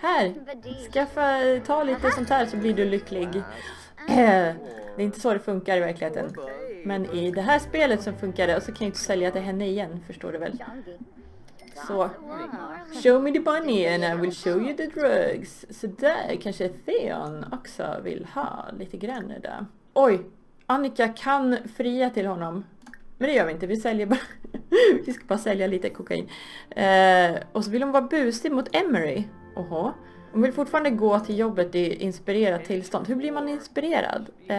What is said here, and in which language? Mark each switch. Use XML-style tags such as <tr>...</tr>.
<sv>Här, skaffa, ta lite sånt här så blir du lycklig. Det är inte så det funkar i verkligheten. Men i det här spelet så funkar det. Och så kan jag inte sälja till henne igen, förstår du väl. Så.</sv> <en>Show me the bunny and I will show you the drugs.</en> <sv>Sådär, kanske Theon också vill ha lite grann där. Oj, Annika kan fria till honom. Men det gör vi inte, vi säljer bara... Vi ska bara sälja lite kokain. Och så vill hon vara busig mot Emery. Oha. Hon vill fortfarande gå till jobbet i inspirerat tillstånd. Hur blir man inspirerad?</sv>